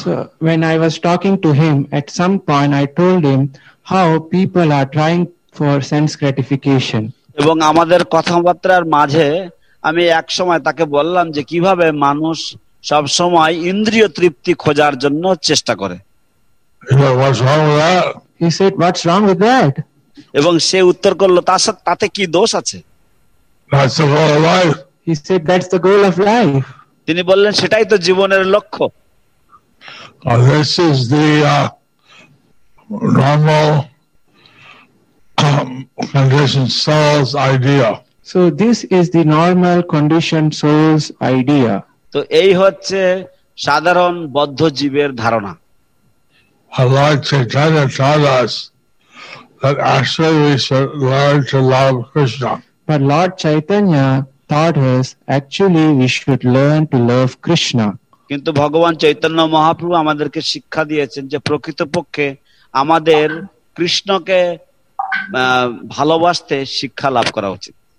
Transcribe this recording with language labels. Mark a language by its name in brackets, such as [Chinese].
[English] So when I was talking to him, at some point I told him how people are trying for sense gratification. [Bangla] এবং আমাদের কথাবার্তার মাঝে আমি এক সময় তাকে বললাম যে কিভাবে মানুষ সব সময় ইন্দ্রিয় তৃপ্তি খোঁজার জন্য চেষ্টা করে। [English] He said, "What's wrong with that?" [Bangla] এবং সে উত্তর করলো, তাতে কি দোষ আছে? [English] That's the whole life. He said, "That's the goal of life." [Bangla] তিনি বললেন, সেটাই তো জীবনের লক্ষ্য। [English] This is the normal conditioned soul's idea. So this is the normal conditioned soul's idea. [Bangla] তো এই হচ্ছে সাধারণ বদ্ধ জীবের ধারণা। [English] Lord Chaitanya taught us that actually we should learn to love Krishna. But Lord Chaitanya thought is actually we should learn to love Krishna. [Bangla] কিন্তু ভগবান চৈতন্য মহাপ্রভু আমাদেরকে শিক্ষা দিয়েছেন যে প্রকৃতপক্ষে আমাদের কৃষ্ণকে ভালোবাসতে শিক্ষা লাভ করা উচিত।